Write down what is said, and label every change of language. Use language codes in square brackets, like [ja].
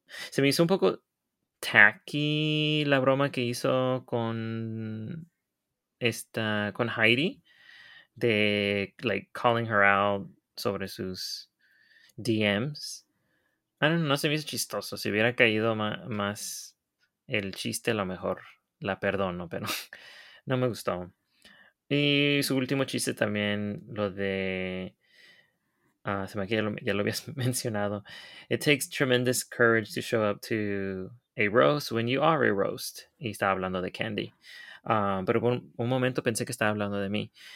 [es] Se me hizo un poco tacky la broma que hizo con Heidi de [en] like calling her out [es] sobre sus DMs. No se me hizo chistoso. Si hubiera caído más el chiste, a lo mejor la perdono, pero no me gustó. Y su último chiste también, lo de ya lo habías mencionado. [en] It takes tremendous courage to show up to a roast when you are a roast. [es] Y estaba hablando de Candy. Pero por un momento pensé que estaba hablando de mí.